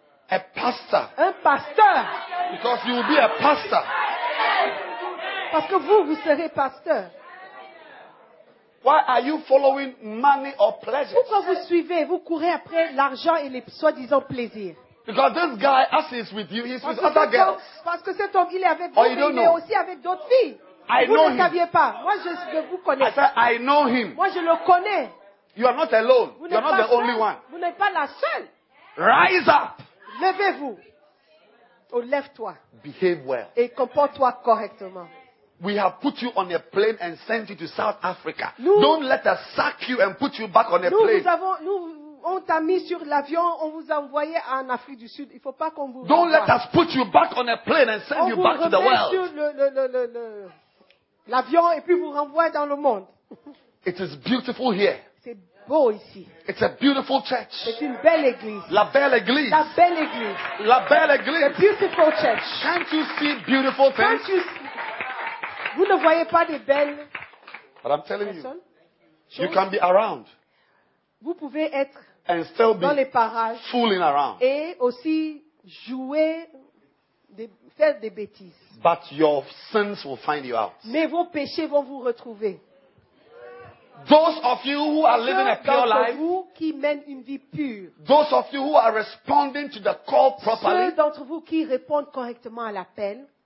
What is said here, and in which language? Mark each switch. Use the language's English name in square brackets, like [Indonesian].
[English] A pastor. [French] Un pasteur. [English] Because you will be a pastor. [French] Parce que vous serez pasteur. [English] Why are you following money or pleasure? [French] Pourquoi vous suivez, vous courez après l'argent et les soi-disant plaisirs? [English] Because this guy, as he's with you, he's with other girls. [French] Parce que cet homme, il est avec vous, mais il est aussi avec d'autres filles. [English] I know him. [French] Vous ne saviez pas. Moi, je vous connais. [English] I said, I know him. [French] Moi, je le connais. [English] You are not alone. You are not the only one. [French] Vous n'êtes pas la seule. [English] Rise up. [French] Levez-vous. Oh, lève-toi. [English] Behave well. [French] Et comporte-toi correctement. [English] We have put you on a plane and sent you to South Africa. [French] Nous, [English] don't let us sack you and put you back on a [French] nous, [English] plane. [French] Nous avons, nous, on t'a mis sur l'avion, on vous a envoyé en Afrique du Sud. Il faut pas qu'on vous. [English] Don't let us put you back on a plane and send [French] on [English] you back to the world. [French] On vous remet sur l'avion et puis vous renvoie dans le monde. [English] It is beautiful here. [French] C'est beau ici. [English] It's a beautiful church. [French] C'est une belle église. La belle église. La belle église. La belle église. [English] A beautiful church. Can't you see beautiful things? Can't you see? [French] Vous ne voyez pas de belles. [English] But I'm telling [French] personnes? [English] You can be around. [French] Vous pouvez être [English] and still [French] dans [English] be [French] les parages [English] fooling around. [French] Et aussi jouer, faire des bêtises. [English] But your sins will find you out. [French] Mais vos péchés vont vous retrouver. [English] Those of you who are living a pure life, [French] vous qui mènent une vie pure, [English] those of you who are responding to the call properly, [French] ceux d'entre vous qui répondent correctement à l'appel,